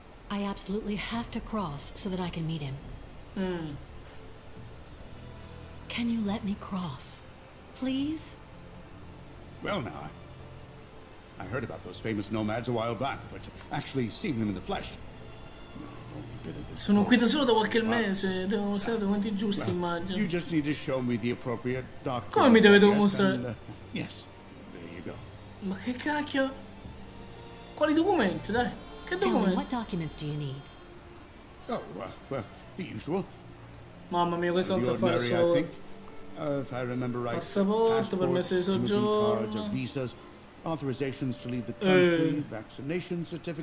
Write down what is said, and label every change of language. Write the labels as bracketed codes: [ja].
[en] I absolutely have to cross so that I can meet him. Can you let me cross? Please? Well now, I heard about those famous nomads a while back, but actually seeing them in the flesh. [it] Sono qui da solo da qualche mese, devo mostrare documenti giusti, immagino. [en] You just need to show me the appropriate doctor. [it] Come mi deve mostrare? [en] Yes, there you go. [it] Ma che cacchio? Quali documenti, dai? Che documenti? [en] What documents do you need? Oh, well, the usual. [it] Mamma mia, questo non sa fare solo. [en] If I remember right, [it] passaporto, permesso di soggiorno, [en] visas, authorizations to leave the country, vaccination certificates,